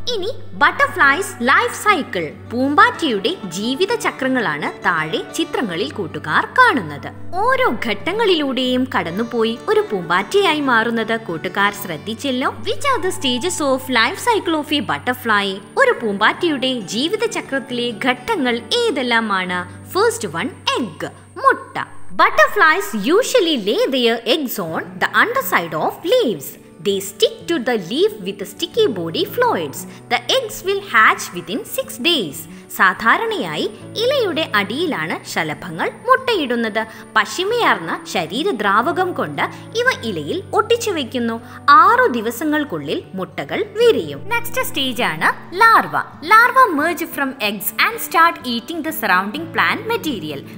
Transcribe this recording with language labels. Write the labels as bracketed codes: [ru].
[ml] ഇനി butterflies life cycle. പൂമ്പാറ്റയുടെ ജീവിത ചക്രങ്ങളാണ് താഴെ ചിത്രങ്ങളിൽ കൂട്ടുകാർ കാണുന്നത്. ഓരോ ഘട്ടങ്ങളിലൂടെയും കടന്നുപോയി ഒരു പൂമ്പാറ്റയായി മാറുന്നത് കൂട്ടുകാർ ശ്രദ്ധിച്ചല്ലോ. [en] Which are the stages of life cycle of a butterfly? [ml] ഒരു പൂമ്പാറ്റയുടെ ജീവിത ചക്രത്തിലെ ഘട്ടങ്ങൾ ഏതെല്ലാമാണ്? [en] First one, egg, മുട്ട. Butterflies usually lay their eggs on the underside of leaves. They stick to the leaf with the sticky body fluids. The eggs will hatch within 6 days. [ml] സാധാരണയായി ഇലയുടെ അടിയിലാണ് ശലഭങ്ങൾ മുട്ടയിടുന്നത്. പശിമയാർന്ന ശരീര ദ്രാവകം കൊണ്ട് ഇവ ഇലയിൽ ഒട്ടിച്ചു വെക്കുന്നു. 6 ദിവസങ്ങൾക്കുള്ളിൽ മുട്ടകൾ വിരിയും. [en] next stage [ml] ആണ് larva. [en] Larva merge from eggs and start eating the surrounding plant material.